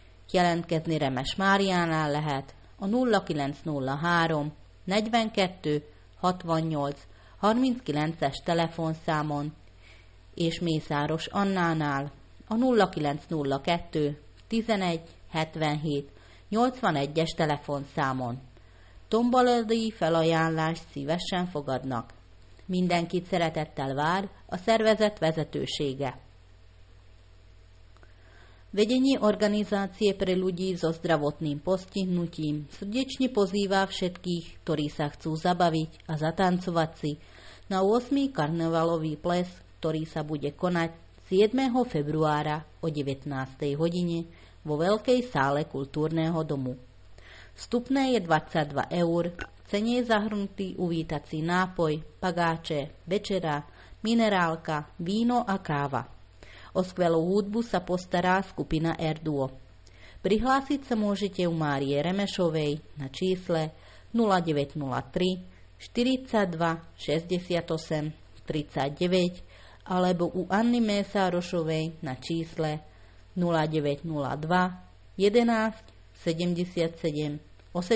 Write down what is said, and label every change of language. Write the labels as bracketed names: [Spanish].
[Hungarian] Jelentkezni Remes Máriánál lehet a 0903 42 68 39-es telefonszámon és Mészáros Annánál a 0902 11 77 81-es telefonszámon. Tomboladi felajánlást szívesen fogadnak. Mindenkit szeretettel vár a szervezet vezetősége. [Slovak] Vedenie organizácie pre ľudí so zdravotným postihnutím srdečne pozýva všetkých, ktorí sa chcú zabaviť a zatancovať si na 8. karnevalový ples, ktorý sa bude konať 7. februára o 19. hodine vo Veľkej sále kultúrneho domu. Vstupné je 22 eur, v cene je zahrnutý uvítací nápoj, pagáče, večera, minerálka, víno a káva. O skvelú hudbu sa postará skupina Erduo. Prihlásiť sa môžete u Márie Remešovej na čísle 0903 42 68 39 alebo u Anny Mésárošovej na čísle 0902 11 77 81.